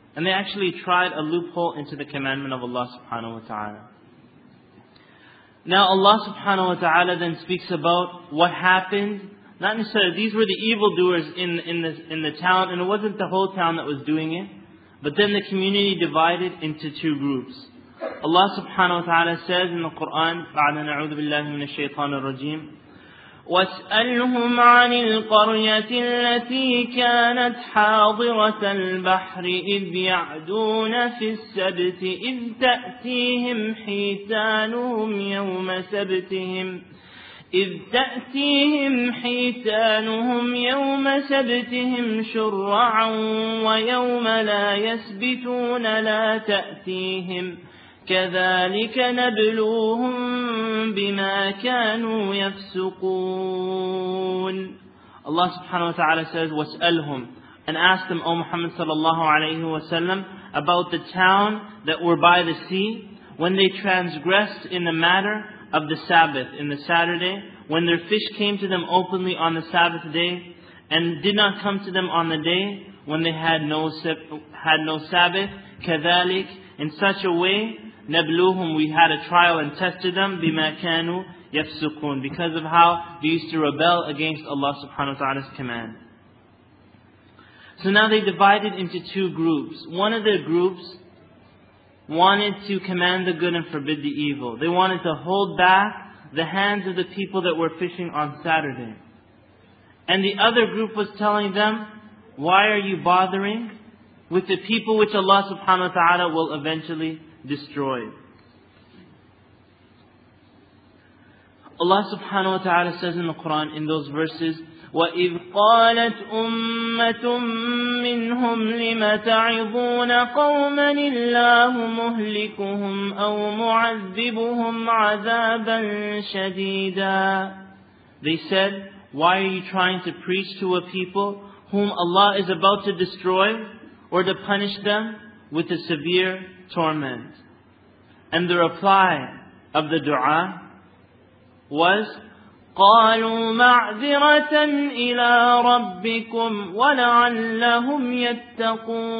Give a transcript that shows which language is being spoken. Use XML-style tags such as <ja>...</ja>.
<en>And they actually tried a loophole into the commandment of Allah subhanahu wa ta'ala. Now Allah subhanahu wa ta'ala then speaks about what happened. Not necessarily, these were the evildoers in the town, and it wasn't the whole town that was doing it. But then the community divided into two groups. Allah subhanahu wa ta'ala says in the Qur'an,</en> <ar>بَعْدَ نَعُوذُ بِاللَّهِ مِنَ الشَّيْطَانِ الرَّجِيمِ وَاسْأَلْهُمْ عَنِ الْقَرْيَةِ الَّتِي كَانَتْ حَاضِرَةَ الْبَحْرِ إِذْ يَعْدُونَ فِي السَّبْتِ إِذْ تَأْتِيهِمْ حِيتَانُهُمْ يَوْمَ سَبْتِهِمْ إذ تأتيهم حيتانهم يوم سبتهم شرعا ويوم لا يسبتون لا تأتيهم كذلك نبلوهم بما كانوا يفسقون.</ar> <en>Allah subhanahu wa ta'ala says, وَاسْأَلْهُمْ, and ask them, O Muhammad sallallahu alayhi wa sallam, about the town that were by the sea when they transgressed in the matter of the Sabbath, in the Saturday, when their fish came to them openly on the Sabbath day, and did not come to them on the day when they had no Sabbath, كذلك, in such a way نبلوهم, we had a trial and tested them,</en> <ar>بما كانوا يفسقون,</ar> <en>because of how they used to rebel against Allah subhanahu wa ta'ala's command. So now they divided into two groups. One of their groups wanted to command the good and forbid the evil. They wanted to hold back the hands of the people that were fishing on Saturday. And the other group was telling them, why are you bothering with the people which Allah subhanahu wa ta'ala will eventually destroy? Allah subhanahu wa ta'ala says in the Quran in those verses,</en> <ar>وَإِذْ قَالَتْ أُمَّةٌ مِّنْهُمْ لِمَ تَعِظُونَ قَوْمًا إِلَّهُ مُهْلِكُهُمْ أَوْ مُعَذِّبُهُمْ عَذَابًا شَدِيدًا.</ar> <en>They said, why are you trying to preach to a people whom Allah is about to destroy or to punish them with a severe torment? And the reply of the dua was,</en> <ar>قَالُوا مَعْذِرَةً إِلَىٰ رَبِّكُمْ وَلَعَلَّهُمْ يَتَّقُونَ.</ar>